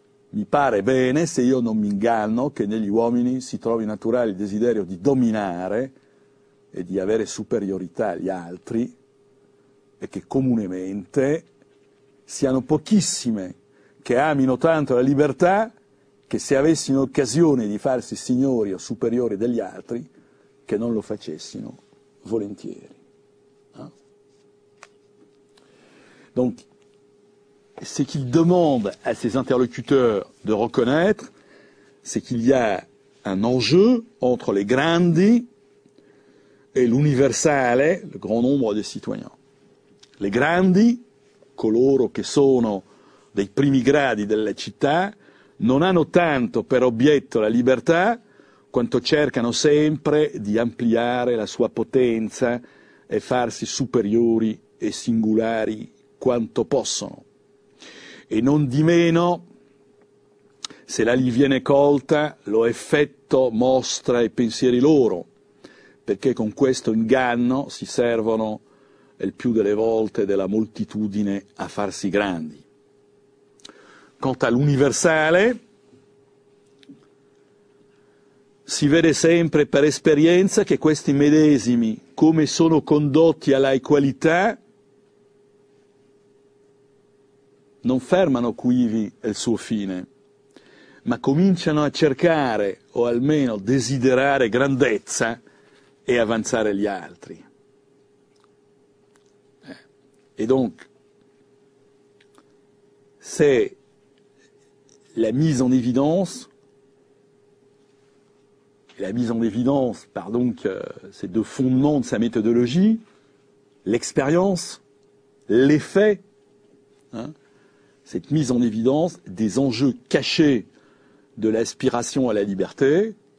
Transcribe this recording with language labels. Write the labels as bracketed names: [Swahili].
[Italian] Mi pare bene, se io non mi inganno, che negli uomini si trovi naturale il desiderio di dominare e di avere superiorità agli altri, e che comunemente siano pochissime che amino tanto la libertà che, se avessino occasione di farsi signori o superiori degli altri, che non lo facessino volentieri. [French] Donc, ce qu'il demande à ses interlocuteurs de reconnaître, c'est qu'il y a un enjeu entre les grandi et l'universale, le grand nombre des citoyens. [Italian] Les grandi, coloro che sono dei primi gradi della città, non hanno tanto per obietto la libertà quanto cercano sempre di ampliare la sua potenza e farsi superiori e singolari quanto possono. E non di meno, se la gli viene colta, lo effetto mostra i pensieri loro, perché con questo inganno si servono il più delle volte della moltitudine a farsi grandi. [French] Quant à l'universale, [Italian] si vede sempre per esperienza che questi medesimi, come sono condotti alla equalità, non fermano quivi il suo fine, ma cominciano a cercare, o almeno desiderare, grandezza e avanzare gli altri. [French] E donc, c'est la mise en évidence, c'est le fondement de sa méthodologie, l'expérience, l'effet, hein, cette mise en évidence des enjeux cachés de l'aspiration à la liberté